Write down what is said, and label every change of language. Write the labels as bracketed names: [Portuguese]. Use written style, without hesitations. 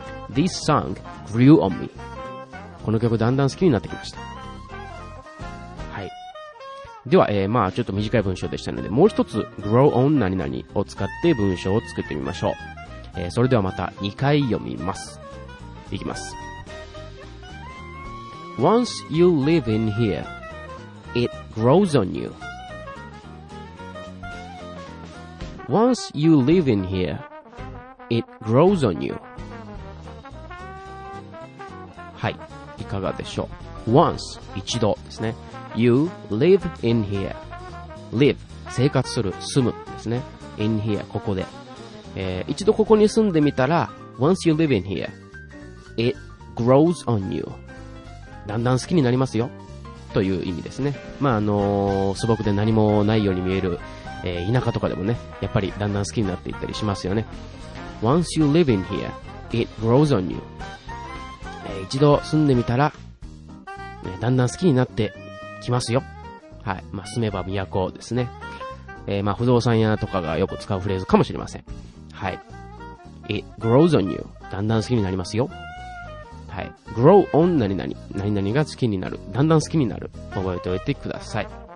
[English] This song grew on me。 [Japanese] この曲だんだん好きになってきました。はい。では、まあちょっと短い文章でしたので、もう一つ [English] grow on [Japanese] 何々を使って文章を作ってみましょう。それではまた2回読みます。いきます。 [English] Once you live in here it grows on youOnce you live in here, It grows on you. [Japanese] はい、いかがでしょう。 [English] Once [Japanese] 一度ですね。 [English] You live in here. Live [Japanese] 生活する、住むですね。 [English] In here [Japanese] ここで、一度ここに住んでみたら、 [English] Once you live in here, It grows on you. [Japanese] だんだん好きになりますよという意味ですね。まあ素朴で何もないように見える、田舎とかでもね、やっぱりだんだん好きになっていったりしますよね。 [English] Once you live in here, it grows on you. [Japanese] 一度住んでみたら、だんだん好きになってきますよ。はい、まあ、住めば都ですね、まあ、不動産屋とかがよく使うフレーズかもしれません。はい、 [English] It grows on you. [Japanese] だんだん好きになりますよ。はい、 [English] grow on [Japanese] 何々、何々が好きになる、だんだん好きになる、覚えておいてください。